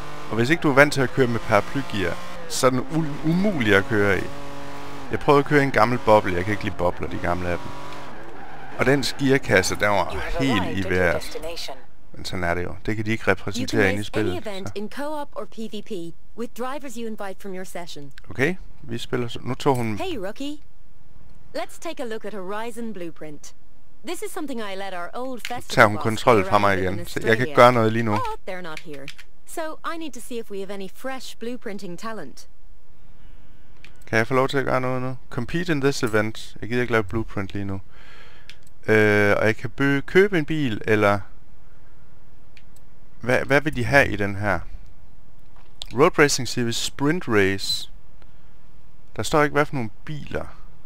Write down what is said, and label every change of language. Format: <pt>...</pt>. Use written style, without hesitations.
<da>Og hvis ikke du er vant til at køre med paraplygear, så er den umulig at køre i. Jeg prøvede at køre en gammel boble. Jeg kan ikke lide bobler, de gamle af dem. Og den skierkasse, der var helt i vejret. Men sådan er det jo. Det kan de ikke repræsentere ind i spillet.</da> <en>In co-op or PvP with drivers you invite from your session.</en> <da>Okay, vi spiller så. Nu tog hun...</da> <en>Hey, rookie. Let's take a look at Horizon Blueprint. This is something I let our old festival...</en> <da>Tager hun kontrol fra mig igen. Så jeg kan gøre noget lige nu.</da> <en>They're not here. So I need to see if we have any fresh blueprinting talent.</en> <da>Kan jeg få lov til at gøre noget nu?</da> <en>Compete in this event.</en> <da>Jeg gider ikke lave blueprint lige nu. Og jeg kan købe en bil, eller... Hvad vil de have i den her? Road Racing Series Sprint Race. Der står ikke, hvad for nogle biler.</da>